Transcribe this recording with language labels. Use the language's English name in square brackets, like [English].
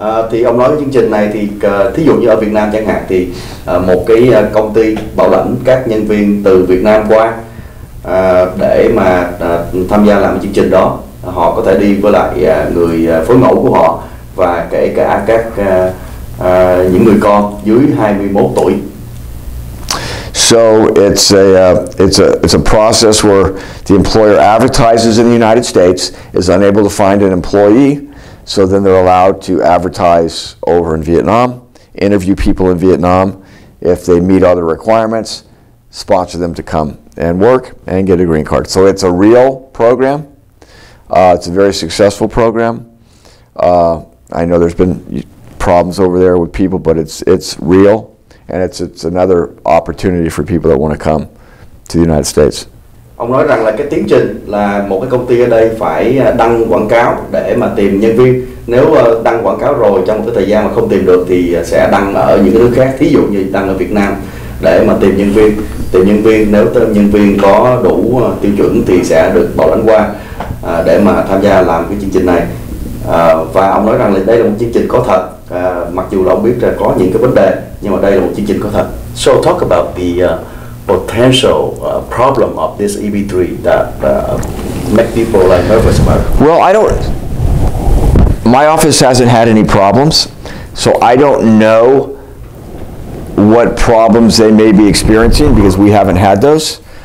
[Vietnamese] Thì ông nói cái chương trình này thì thí dụ như ở Việt Nam chẳng hạn thì một cái công ty bảo lãnh các nhân viên từ Việt Nam qua để mà tham gia làm chương trình đó, họ có thể đi với lại người phối mẫu của họ và kể cả các những người con dưới 21 tuổi. [English] So it's a process where the employer advertises in the United States, is unable to find an employee, so then they're allowed to advertise over in Vietnam, interview people in Vietnam, if they meet other requirements, sponsor them to come and work and get a green card. So it's a real program. It's a very successful program. I know there's been problems over there with people, but it's real, and it's another opportunity for people that want to come to the United States. [Vietnamese] Ông nói rằng là cái tiến trình là một cái công ty ở đây phải đăng quảng cáo để mà tìm nhân viên. Nếu đăng quảng cáo rồi trong một cái thời gian mà không tìm được thì sẽ đăng ở những nước khác, thí dụ như đăng ở Việt Nam để mà tìm nhân viên. Tìm nhân viên, nếu tìm nhân viên có đủ tiêu chuẩn thì sẽ được bảo lãnh qua để mà tham gia làm cái chương trình này. Và ông nói rằng là đây là một chương trình có thật, mặc dù là ông biết là có những cái vấn đề, nhưng mà đây là một chương trình có thật. [English] So talk about the potential problem of this EB-3 that make people like nervous about. Well, I don't, my office hasn't had any problems, so I don't know what problems they may be experiencing because we haven't had those.